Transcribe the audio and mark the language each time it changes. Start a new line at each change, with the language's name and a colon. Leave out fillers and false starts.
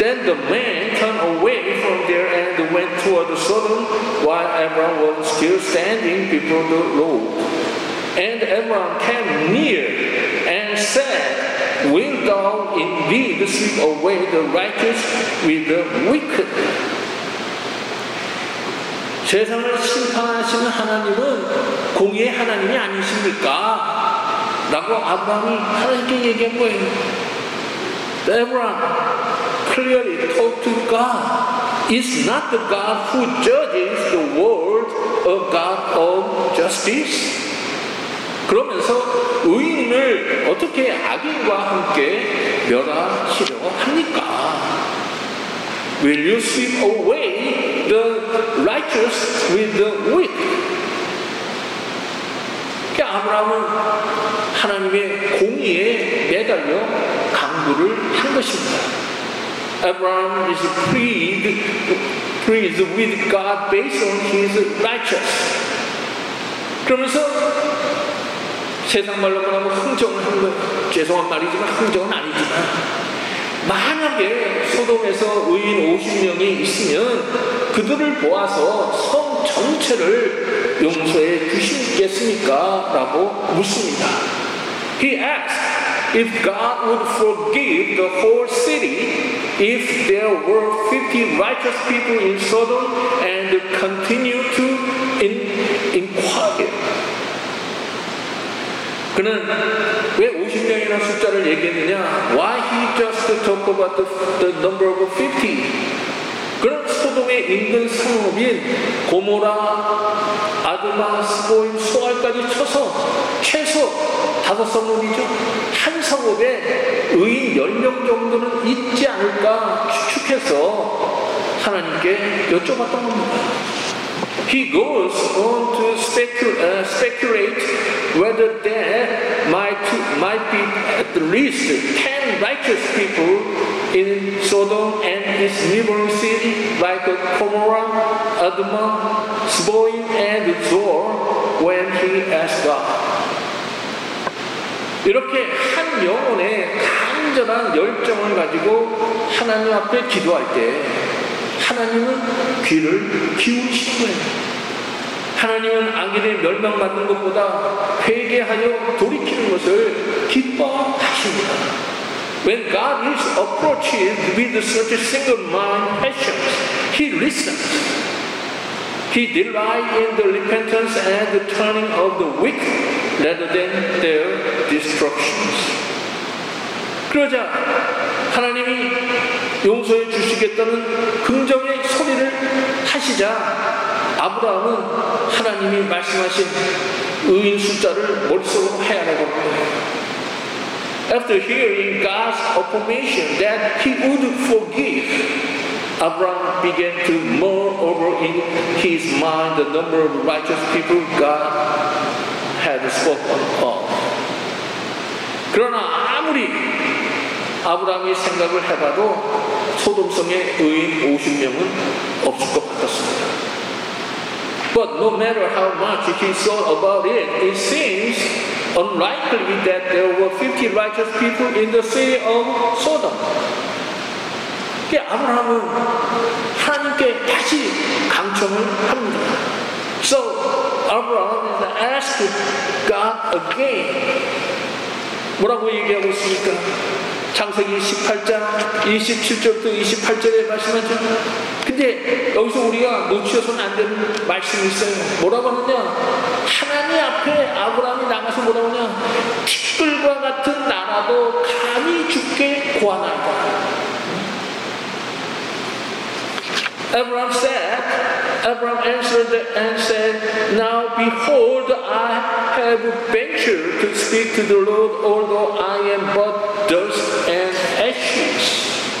English: Then the man turned away from there and went toward Sodom while Abraham was still standing before the Lord. And Abraham came near and said, Wilt thou indeed sweep away the righteous with the wicked?
Korean: 세상을 심판하시는 하나님은 공의의 하나님이 아니십니까? 라고 아브라함이 하나님께 얘기한 거예요.
English: Abraham clearly talked to God. It's not the God who judges the world, a God of justice.
Korean: 그러면서 의인을 어떻게 악인과 함께 멸하시려고 합니까?
English: Will you sweep away the righteous with the wicked?
Korean: 아브라함은 하나님의 공의에 매달려 강구를 한 것입니다.
English: Abraham is pleased with God based on his righteousness.
Korean: 그러면서 세상 말로 말하면 흥정을 하는 거예요. 죄송한 말이지만 흥정은 아니지만 만약에 소돔에서 의인 50명이 있으면 그들을 모아서 성 전체를 용서해 주시겠습니까? 라고 묻습니다.
English: He asks if God would forgive the whole city if there were 50 righteous people in Sodom and continue to inquire.
Korean: 그는 왜 50명이라는 숫자를 얘기했느냐?
English: Why he just talk about the number of 50?
Korean: 그는 소돔에 있는 성읍인 고모라, 아드마, 스보임, 소알까지 쳐서 최소 다섯 성읍이죠. 한 성읍에 의인 10명 정도는 있지 않을까 추측해서 하나님께 여쭤봤던 겁니다.
English: He goes on to speculate whether there might be at least 10 righteous people in Sodom and its neighboring city, like Gomorrah, Adma, Zeboim, and Zoar, when he asked God.
Korean: 이렇게 한 영혼의 간절한 열정을 가지고 하나님 앞에 기도할 때 하나님은 귀를 기울이시는 거예요. 하나님은 악인의 멸망받는 것보다 회개하여 돌이키는 것을 기뻐하십니다.
English: When God is approached with such a single mind patience, He listens. He delights in the repentance and the turning of the weak rather than their destructions.
Korean: 그러자 하나님이 용서해 주시겠다는 긍정의 소리를 하시자 아브라함은 하나님이 말씀하신 의인 숫자를 머릿속으로 헤아리고
English: After hearing God's affirmation that he would forgive, Abraham began to mull over in his mind the number of righteous people God had spoken of.
Korean: 그러나 아무리 아브라함이 생각을 해봐도 소돔성에 의인 50명은 없을 것 같았습니다.
English: But no matter how much he thought about it seems unlikely that there were 50 righteous people in the city of Sodom.
Korean: 아브라함은 하나님께 다시 강청을 합니다.
English: So Abraham asked God again.
Korean: 뭐라고 얘기하고 있습니까? 창세기 18장 27절부터 28절에 말씀하죠. 근데 여기서 우리가 놓치어서는 안 되는 말씀이 있어요. 뭐라고 하느냐? 하나님 앞에 아브라함이 나가서 뭐라고 하냐? 티끌과 같은 나라도 감히 주께 구하나이다.
English: Abraham answered and said, Now behold, I have ventured to speak to the Lord, although I am but dust and ashes.